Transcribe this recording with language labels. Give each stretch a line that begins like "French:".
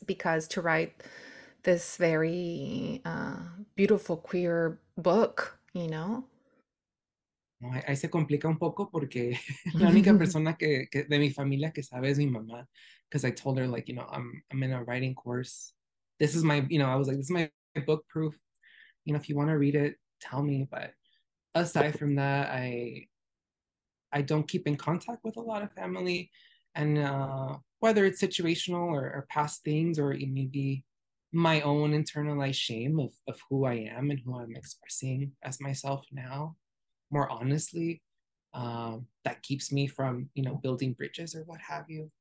English: Because to write this very beautiful queer book, you know?
Spanish: No, ahí se complica un poco porque la única persona que de mi familia que sabe es mi mamá.
English: Because I told her, like, you know, I'm in a writing course. This is my, you know, I was like, this is my book proof. You know, if you want to read it, tell me. But aside from that, I don't keep in contact with a lot of family. And whether it's situational or past things or maybe my own internalized shame of who I am and who I'm expressing as myself now, more honestly, that keeps me from, you know, building bridges or what have you.